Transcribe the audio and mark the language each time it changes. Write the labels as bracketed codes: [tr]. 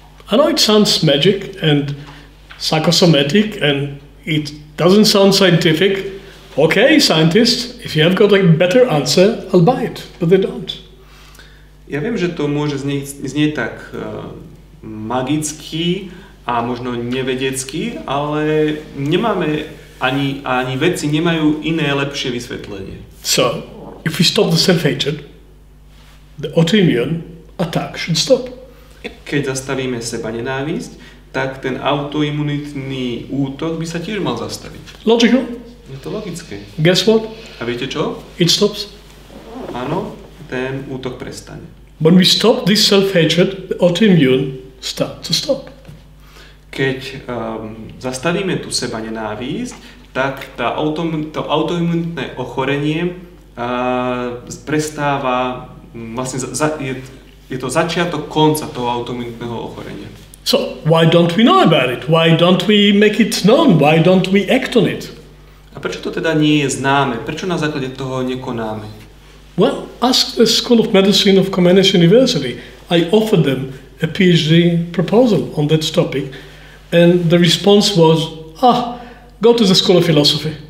[en] I know it sounds magic and psychosomatic and it doesn't sound scientific. Okay, scientists, if you have got a better answer, I'll buy it, but they don't. [sk] Ja viem, že to môže znieť tak magicky a možno nevedecky, ale nemáme ani vedci nemajú iné lepšie vysvetlenie. [en] So, if we stop the self-hatred, the autoimmune attack should stop. [sk] Keď zastavíme seba nenávisť, tak ten autoimunitný útok by sa tiež mal zastaviť. [en] Logical. [sk] Je to logické. [en] Guess what? [sk] A viete čo? [en] It stops. [sk] Áno, ten útok prestane. [en] When we stop this self-hatred, the autoimmune starts to stop. [sk] Keď zastavíme tú seba nenávisť, tak to autoimunitné ochorenie prestáva, vlastne je to začiatok konca toho autoimunitného ochorenia. [en] So, why don't we know about it? Why don't we make it known? Why don't we act on it? [sk] A prečo to teda nie je známe? Prečo na základe toho nekonáme? [en] Well, ask the School of Medicine of Comenius University. I offered them a PhD proposal on that topic. And the response was, go to the School of Philosophy.